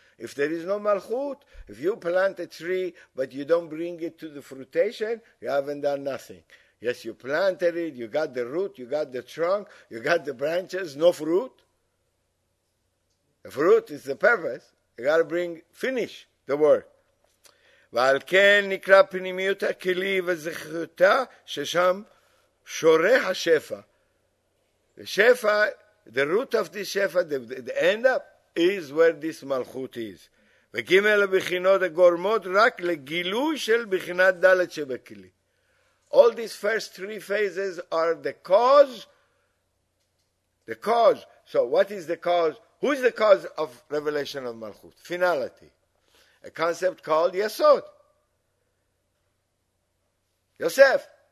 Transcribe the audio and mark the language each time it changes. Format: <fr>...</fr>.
<en>If there is no malchut, if you plant a tree but you don't bring it to the fruitation, you haven't done nothing. Yes, you planted it, you got the root, you got the trunk, you got the branches, no fruit. The fruit is the purpose. You got to bring, finish the work.</en> <he>ועל כן נקרא פנימיות הכלי וזכרותה ששם שורה השפע.</he> <en>The שפע, the root of this שפע, the end up, is where this malchut is.</en> <he>וגימל הבחינות הגורמות רק לגילוי של בחינת דלת שבכלי.</he> <en>All these first three phases are the cause. The cause. So what is the cause? Who is the cause of revelation of malchut? Finality. A concept called Yesod. Yosef.</en>